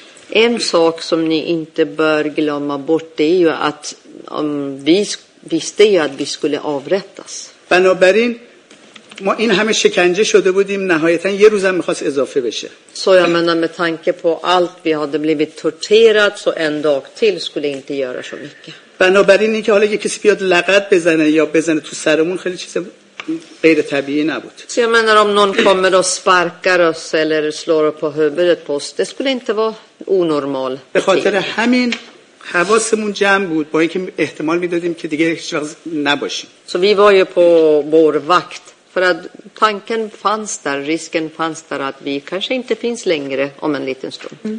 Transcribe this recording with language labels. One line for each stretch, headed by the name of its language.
Swedish: En sak som ni inte bör glömma bort det är ju att vi visste ju att vi skulle avrättas.
Persian: بنابراین ما این همه شکنجه شده بودیم نهایتاً یه روزم می‌خواست اضافه بشه.
Swedish: Så jag menar med tanke på allt vi hade blivit torterat så en dag till skulle inte göra så mycket.
Persian: بنابراین اینکه حالا یه کسی بیاد لغت بزنه یا بزنه تو سرمون خیلی چیز غیر طبیعی نبود.
Swedish: Så jag menar om någon kommer och sparkar oss eller slår på huvudet på oss, det skulle inte vara onormal.
Persian: به خاطر همین حواسمون جمع بود با اینکه احتمال میدادیم که دیگه هیچ وقت نباشیم.
Swedish: Så vi var ju på vår vakt för att tanken fanns där, risken fanns där att vi kanske inte finns längre om en liten stund.